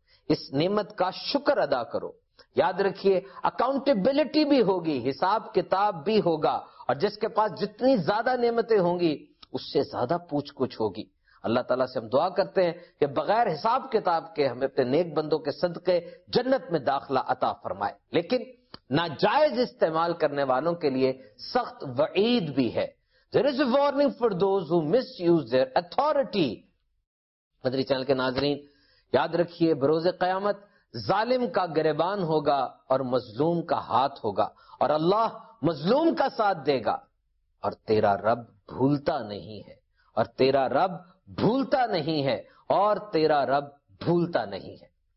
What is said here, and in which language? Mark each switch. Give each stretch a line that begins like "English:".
Urdu: اس نعمت کا شکر ادا کرو. یاد رکھیے اکاؤنٹیبلٹی بھی ہوگی، حساب کتاب بھی ہوگا، اور جس کے پاس جتنی زیادہ نعمتیں ہوں گی اس سے زیادہ پوچھ گچھ ہوگی. اللہ تعالیٰ سے ہم دعا کرتے ہیں کہ بغیر حساب کتاب کے ہمیں اپنے نیک بندوں کے صدقے جنت میں داخلہ عطا فرمائے. لیکن ناجائز استعمال کرنے والوں کے لیے سخت وعید بھی ہے.
English: There is a warning for those who misuse their authority.
Urdu: مدری چینل کے ناظرین یاد رکھیے، بروز قیامت ظالم کا گریبان ہوگا اور مظلوم کا ہاتھ ہوگا، اور اللہ مظلوم کا ساتھ دے گا، اور تیرا رب بھولتا نہیں ہے، اور تیرا رب بھولتا نہیں ہے، اور تیرا رب بھولتا نہیں ہے.